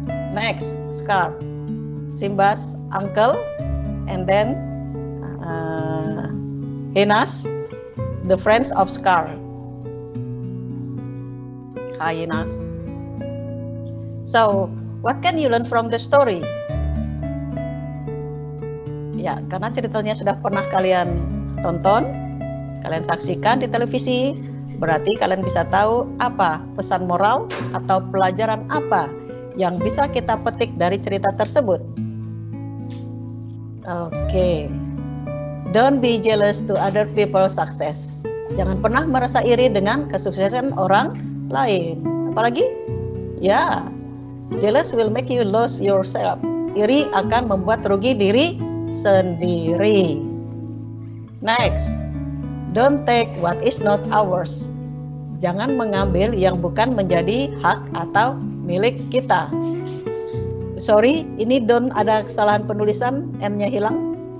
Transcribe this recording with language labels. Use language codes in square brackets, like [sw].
[en] Next, Scar, Simba's uncle. And then Hyenas, the friends of Scar. Hyenas. So, what can you learn from the story? [id] Ya, karena ceritanya sudah pernah kalian tonton, kalian saksikan di televisi, berarti kalian bisa tahu apa pesan moral atau pelajaran apa yang bisa kita petik dari cerita tersebut. [en] Oke. Don't be jealous to other people's success. [id] Jangan pernah merasa iri dengan kesuksesan orang lain. Apalagi, ya, [en] jealous will make you lose yourself. [id] Iri akan membuat rugi diri sendiri. [en] Next, don't take what is not ours. [id] Jangan mengambil yang bukan menjadi hak atau milik kita. Sorry, ini don't ada kesalahan penulisan, M-nya hilang.